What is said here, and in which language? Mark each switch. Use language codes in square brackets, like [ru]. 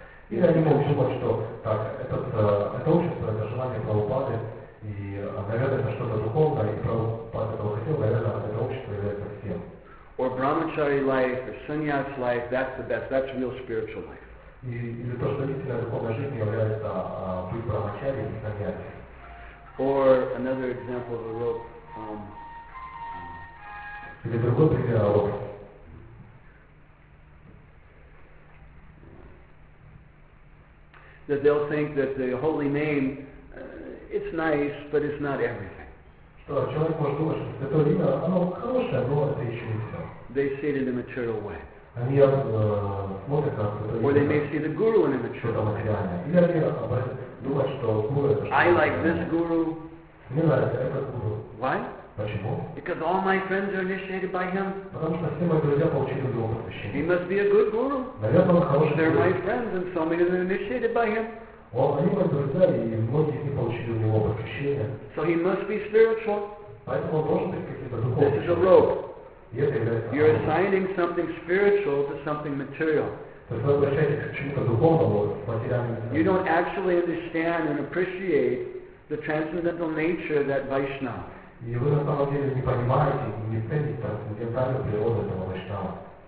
[ru] И они могут думать, что так, это общество, это желание Прабхупады, и, наверное, это что-то духовное, и Прабхупад этого хотел, наверное, это общество является всем. [en] Or brahmachari life, or sannyas life, that's the best, that's real spiritual life. [ru] Или то, что истинная духовная жизнь является быть брахмачари или саньяси. [en] Or another example of a rope. [ru] Или другой пример о рок. [en] That they'll think that the holy name, it's nice, but it's not everything. [ru] Что человек может думать, что святое имя, оно хорошее, но это еще не все. [en] They see it in a material way. [ru] Они смотрят на святое имя. [en] Or they may see the guru in a material way. [ru] Или они думают, что guru это что-то. [en] I like this guru. [ru] Мне нравится этот guru. [en] Why? [ru] Почему? [en] Because all my friends are initiated by him. [ru] Потому что все мои друзья получили его посвящение. [en] He must be a good guru. [ru] Наверное, он хороший. [en] They're my friends, and so many of them are initiated by him. [ru] Они мои друзья, и многие из них получили у него посвящение. [en] So he must be spiritual. [ru] Поэтому он должен быть каким-то духовным. [en] This is a rope. [ru] Это является. [en] You're assigning something spiritual to something material. [ru] То есть вы обращаетесь к чему-то духовному, материальному. [en] You don't actually understand and appreciate the transcendental nature of that Vaishnava. [ru] И вы на самом деле не понимаете, не цените трансцендентальную природу этого Вайшнава.